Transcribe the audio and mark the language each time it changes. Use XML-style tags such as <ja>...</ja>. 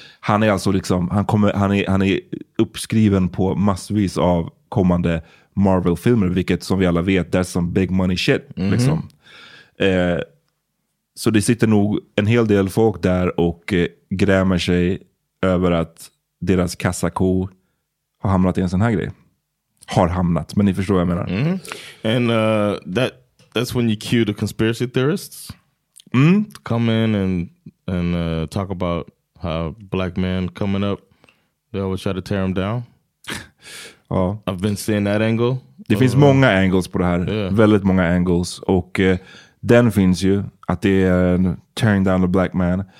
<sv>Han är alltså liksom, han är uppskriven på massvis av kommande Marvel-filmer, vilket som vi alla vet,</sv> <en>that's some big money shit.</en> <sv>Mm-hmm. Liksom. Så det sitter nog en hel del folk där och grämer sig över att deras kassako har hamnat i en sån här grej. Har hamnat, men ni förstår vad jag menar. Mm-hmm.</sv> <en>And that's when you cue the conspiracy theorists to come in and talk about how black men coming up, they always try to tear them down.</en> <sv>Ja.</sv> <en>I've been seeing that angle.</en> <sv>Det finns många angles på det här.</sv> <en>Yeah.</en> <sv>Väldigt många angles. Och den finns ju. Att det är en</sv> <en>tearing down the black man.</en>